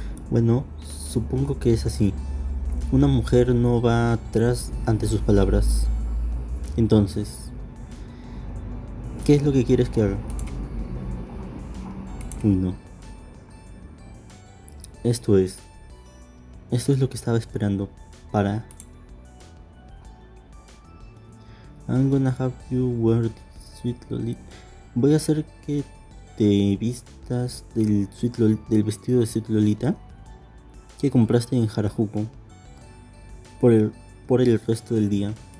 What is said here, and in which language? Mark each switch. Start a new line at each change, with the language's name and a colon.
Spanish: Bueno, supongo que es así. Una mujer no va atrás ante sus palabras. Entonces, ¿qué es lo que quieres que haga? No. Esto es lo que estaba esperando para.
English: I'm gonna have you wear the sweet lolita.
Spanish: Voy a hacer que te vistas del vestido de sweet lolita que compraste en Harajuku por el resto del día.